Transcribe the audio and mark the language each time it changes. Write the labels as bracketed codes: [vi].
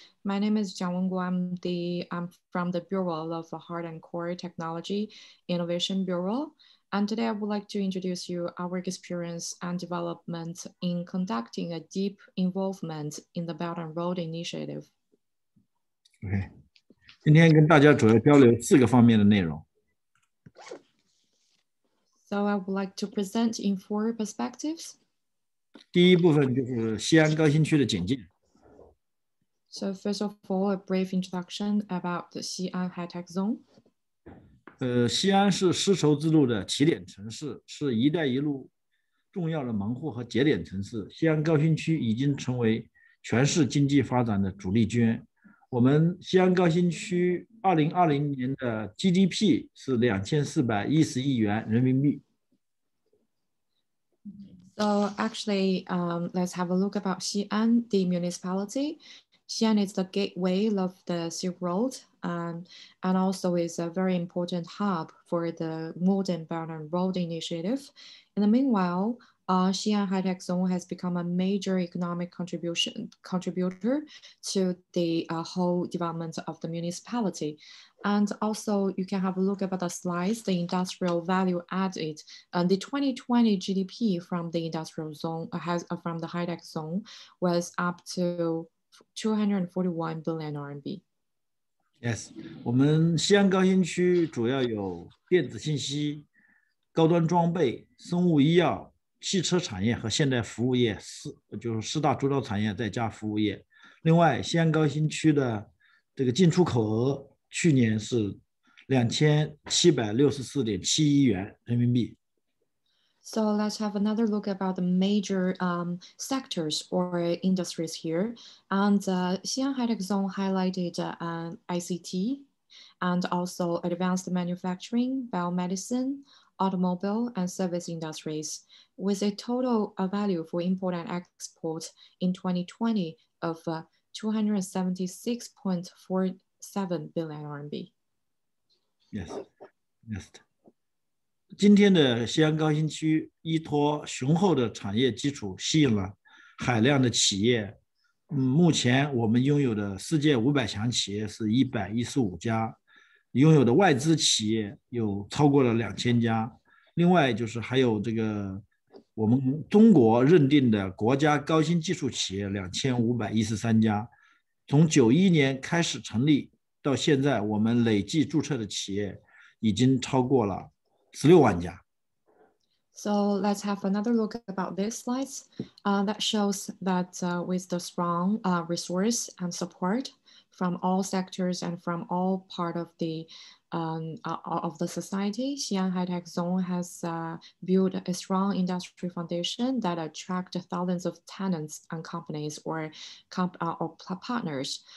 [en] My name is Jiang Wenguo. I'm from the Bureau of Hard and Core Technology Innovation Bureau. And today I would like to introduce you our experience and development in conducting a deep involvement in the Belt and Road Initiative. OK. [zh] 今天跟大家主要交流四个方面的内容。 [en] So I would like to present in four perspectives. [zh] 第一部分就是西安高新区的简介。 [en] So first of all, a brief introduction about the Xi'an High Tech Zone. [zh] 西安是丝绸之路的起点城市，是一带一路重要的门户和节点城市。西安高新区已经成为全市经济发展的主力军。我们西安高新区2020年的 GDP 是2410亿元人民币。 [en] So actually, let's have a look about Xi'an, the municipality. Xi'an is the gateway of the Silk Road, and also is a very important hub for the Modern Belt and Road Initiative. In the meanwhile,Xi'an High Tech Zone has become a major economic contributor to the whole development of the municipality. And also, you can have a look at the slides, the industrial value added. And the 2020 GDP from the industrial zone, from the High Tech Zone, was up to 241 billion RMB. [zh] Yes, 我们西安高新区主要有电子信息、高端装备、生物医药、汽车产业和现代服务业四大主导产业，再加服务业。另外，西安高新区的这个进出口额去年是2764.7亿元人民币。 [en] So let's have another look about the major sectors or industries here. And Xi'an High Tech Zone highlighted ICT and also advanced manufacturing, biomedicine. Automobile and service industries, with a total value for import and export in 2020 of 276.47 billion RMB. Yes, yes. [zh] 今天的西安高新区依托雄厚的产业基础，吸引了海量的企业。目前我们拥有的世界500强企业是115家，拥有的外资企业有超过了2000家。另外就是还有这个我们中国认定的国家高新技术企业2513家，从91年开始成立到现在，我们累计注册的企业已经超过了16万家。 [en] So let's have another look about this slide that shows that with the strong resource and support from all sectors and from all part of the of the society. Xi'an High Tech Zone has built a strong industry foundation that attracts thousands of tenants and companies or partners.